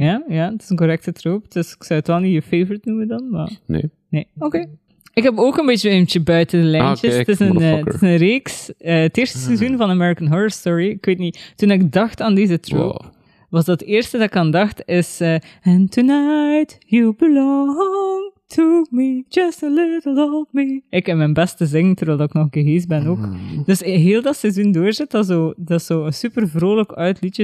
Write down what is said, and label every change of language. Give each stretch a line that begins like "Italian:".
Dutch: Ja, ja, het is een correcte troop. Dus ik zou het wel niet je favorite noemen dan, maar... Nee. Nee, oké. Okay. Ik heb ook een beetje eentje buiten de lijntjes. Ah, kijk, het is een reeks. Het eerste seizoen van American Horror Story. Ik weet niet, toen ik dacht aan deze troop... Wow. Was dat eerste dat ik aan dacht is...
English: And tonight you belong to me, just a little of me.
Dutch: Ik heb mijn beste zingen terwijl ik nog gehees ben ook. Dus heel dat seizoen doorzit, dat is zo een super vrolijk uit liedje.